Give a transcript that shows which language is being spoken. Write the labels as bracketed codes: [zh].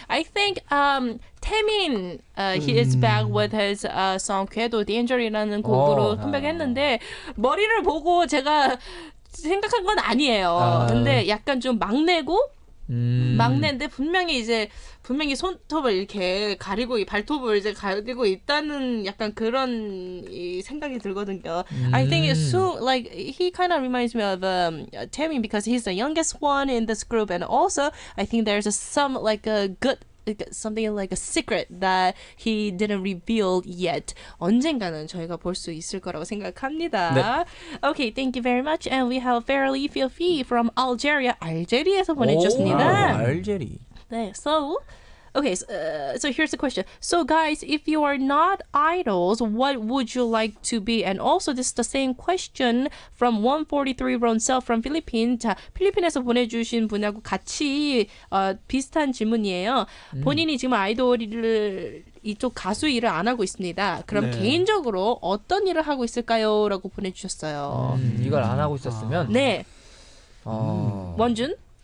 [en] I think Taemin, he is back with his song 궤도 Danger이라는 [ko] 곡으로 컴백했는데 머리를 보고 제가 생각한 건 아니에요. 근데 약간 좀 막내고 막내인데 분명히 이제 분명히 손톱을 이렇게 가리고 이 발톱을 이제 가리고 있다는 약간 그런 이 생각이 들거든요. [en] I think it's so like he kind of reminds me of Taemin because he's the youngest one in this group and also I think there's some like a good something like a secret that he didn't reveal yet. [ko] 언젠가는 저희가 볼 수 있을 거라고 생각합니다. 네. [en] Okay, thank you very much. And we have Fairly Feel Fee from Algeria. [ko] 알제리에서 보내주셨습니다. 오, 알제리. [en] 네, so, okay, so here's the question. So guys, if you are not idols, what would you like to be? And also, this is the same question from 143 Ronsel from Philippines. [ko] 자, 필리핀에서 보내주신 분하고 같이 비슷한 질문이에요. 본인이 지금 아이돌을 이쪽 가수 일을 안 하고 있습니다. 그럼 네. 개인적으로 어떤 일을 하고 있을까요? 라고 보내주셨어요. 이걸 안 하고 있었으면? 아. 네. 원준?